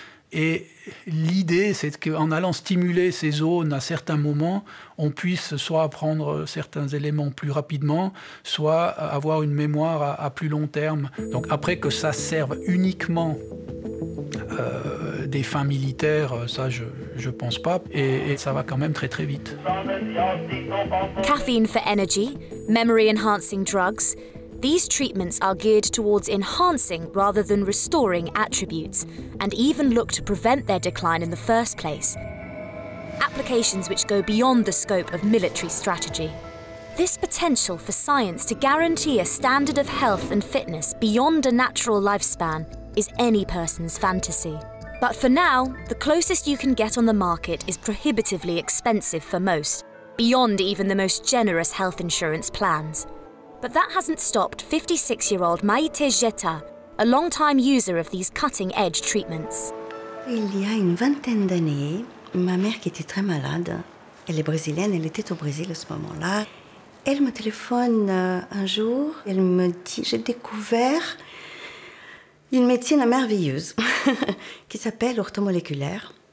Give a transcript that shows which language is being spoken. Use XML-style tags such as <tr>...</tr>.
<fr>Et l'idée, c'est qu'en allant stimuler ces zones à certains moments, on puisse soit apprendre certains éléments plus rapidement, soit avoir une mémoire à plus long terme. Donc après, que ça serve uniquement des fins militaires, ça, je pense pas. Et ça va quand même très, très vite.</fr> <en>Caffeine for energy, memory-enhancing drugs. These treatments are geared towards enhancing rather than restoring attributes, and even look to prevent their decline in the first place. Applications which go beyond the scope of military strategy. This potential for science to guarantee a standard of health and fitness beyond a natural lifespan is any person's fantasy. But for now, the closest you can get on the market is prohibitively expensive for most, beyond even the most generous health insurance plans. But that hasn't stopped 56-year-old Maïté Jetta, a long-time user of these cutting-edge treatments.</en> <fr>Il y a une vingtaine d'années, ma mère qui était très malade, elle est brésilienne, elle était au Brésil à ce moment-là. Elle me téléphone un jour, elle me dit, j'ai découvert une médecine merveilleuse qui s'appelle orthomoléculaire.</fr>